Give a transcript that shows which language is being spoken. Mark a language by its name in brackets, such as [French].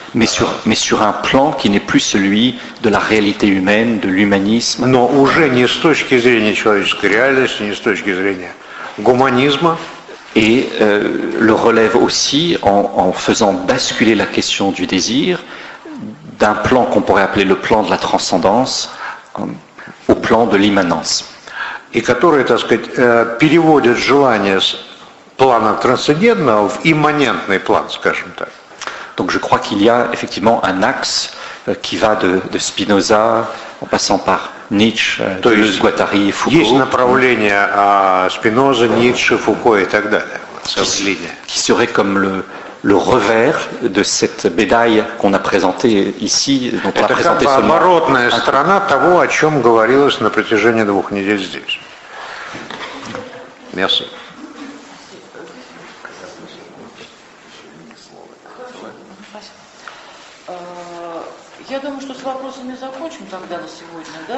[French] Mais sur un plan qui n'est plus celui de la réalité humaine, de l'humanisme. [Russian] Но уже не с точки зрения человеческой реальности, не с точки зрения гуманизма. [French] Et le relève aussi en faisant basculer la question du désir d'un plan qu'on pourrait appeler le plan de la transcendance au plan de l'immanence. [Russian] Et который, так сказать, переводит желание с плана трансцендентного в имманентный план, скажем так. [French] Donc je crois qu'il y a effectivement un axe qui va de Spinoza en passant par Nietzsche, то Deleuze, есть, Guattari et Foucault. [Russian] Есть направление Спиноза, Ницше, Фуко и так далее. [French] Qui serait comme le revers de cette médaille qu'on a présentée ici, dont on a présenté seulement. [Russian] Это как бы оборотная сторона того, о чем говорилось на протяжении двух недель здесь. [French] Merci. [Russian] Я думаю, что с вопросами закончим тогда на сегодня, да?